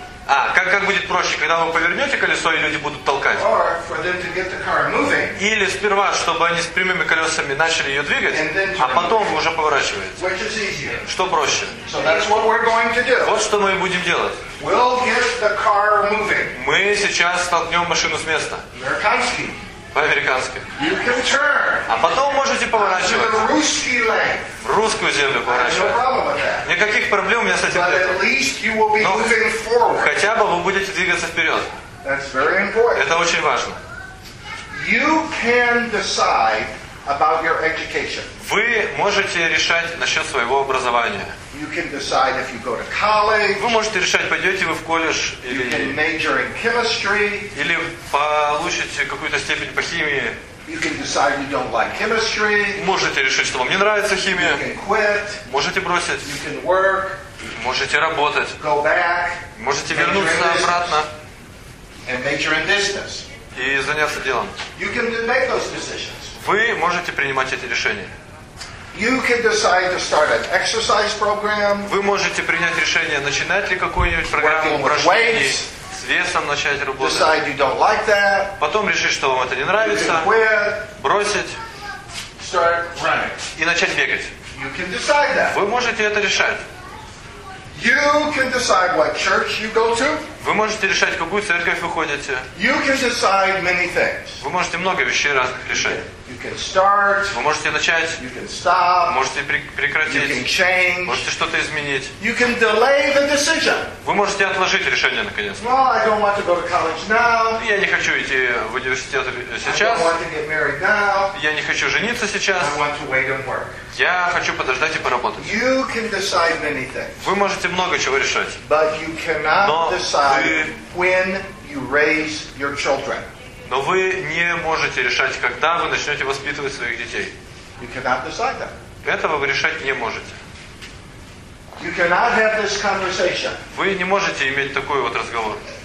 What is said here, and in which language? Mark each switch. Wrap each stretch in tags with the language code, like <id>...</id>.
<ru>А, как будет проще, когда вы повернете колесо, и люди будут толкать?</ru> <en>Or for them to get the car moving.</en> <ru>Или сперва, чтобы они с прямыми колесами начали ее двигать,</ru> <en>and then</en> <ru>а потом вы уже поворачиваете.</ru> <en>Which is easier.</en> <ru>Что проще?</ru> <en>So that's what we're going to do.</en> <ru>Вот что мы и будем делать.</ru> <en>We'll get the car moving.</en> <ru>Мы сейчас столкнем машину с места. Американский. По-американски.</ru> <en>You can turn.</en> <ru>А потом можете поворачивать. Русский лей. Русскую землю поворачивать. Никаких проблем у меня с этим нет. Но хотя бы вы будете двигаться вперед.</ru> <en>That's very important.</en> <ru>Это очень важно.</ru> <en>You can decide about your education.</en> <ru>Вы можете решать насчет своего образования.</ru> <en>You can decide if you go to college.</en> <ru>Вы можете решать, пойдете вы в колледж или,</ru> <en>you can major in chemistry.</en> <ru>Или получите какую-то степень по химии.</ru> <en>You can decide you don't like chemistry.</en> <ru>Можете решить, что вам не нравится химия.</ru> <en>You can quit.</en> <ru>Можете бросить.</ru> <en>You can work.</en> <ru>Можете работать.</ru> <en>Go back.</en> <ru>Можете вернуться обратно.</ru> <en>And major in business.</en> <ru>И заняться делом.</ru> <en>You can make those decisions.</en> <ru>Вы можете принимать эти решения.</ru> <en>You can decide to start an exercise program.</en> <ru>Вы можете принять решение, начинать ли какую-нибудь программу упражнений. С весом начать работать.</ru> <en>Decide you don't like that.</en> <ru>Потом решить, что вам это не нравится.</ru> <en>You can quit.</en> <ru>Бросить.</ru> <en>Start running.</en> <ru>И начать бегать.</ru> <en>You can decide that.</en> <ru>Вы можете это решать.</ru> <en>You can decide what church you go to.</en> <ru>Вы можете решать, какую церковь вы ходите.</ru> <en>You can decide many things.</en> <ru>Вы можете много вещей разных решать.</ru> <en>You can start.</en> <ru>Вы можете начать.</ru> <en>You can stop.</en> <ru>Можете прекратить.</ru> <en>You can change.</en> <ru>Можете что-то изменить.</ru> <en>You can delay the decision.</en> <ru>Вы можете отложить решение наконец.</ru> <en>Well, I don't want to go to college now.</en> <ru>Я не хочу идти в университет сейчас.</ru> <en>I don't want to get married now.</en> <ru>Я не хочу жениться сейчас.</ru> <en>I want to wait and work.</en> <ru>Я хочу подождать и поработать.</ru> <en>You can decide many things.</en> <ru>Вы можете много чего решать.</ru> <en>But you cannot decide when you raise your children.</en> <ru>Но вы не можете решать, когда вы начнете воспитывать своих детей.</ru> <en>You cannot decide that.</en> <ru>Этого вы решать не можете.</ru> <en>You cannot have this conversation.</en> <ru>Вы не можете иметь такой вот разговор.</ru>